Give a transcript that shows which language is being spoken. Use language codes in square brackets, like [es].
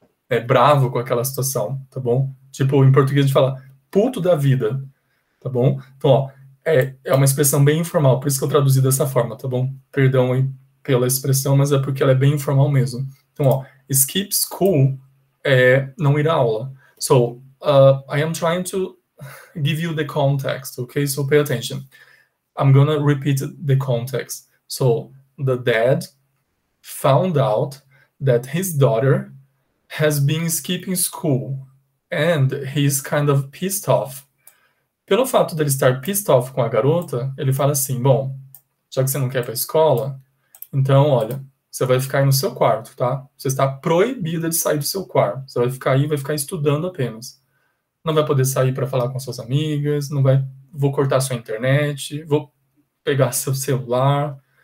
[pt] É bravo com aquela situação, tá bom? Tipo, em português a gente fala puto da vida, tá bom? Então, ó, é uma expressão bem informal, por isso que eu traduzi dessa forma, tá bom? Perdão aí pela expressão, mas é porque ela é bem informal mesmo. Então, ó, skip school é não ir à aula. [en] So, I am trying to give you the context, okay? So, pay attention. I'm gonna repeat the context. So, the dad found out that his daughter has been skipping school and he's kind of pissed off. [pt] Pelo fato dele estar pissed off com a garota, ele fala assim, bom, já que você não quer ir pra escola, então, olha, você vai ficar aí no seu quarto, tá? Você está proibida de sair do seu quarto. Você vai ficar aí, vai ficar estudando apenas. Não vai poder sair para falar com suas amigas, não vai... Vou cortar sua internet, vou pegar seu celular.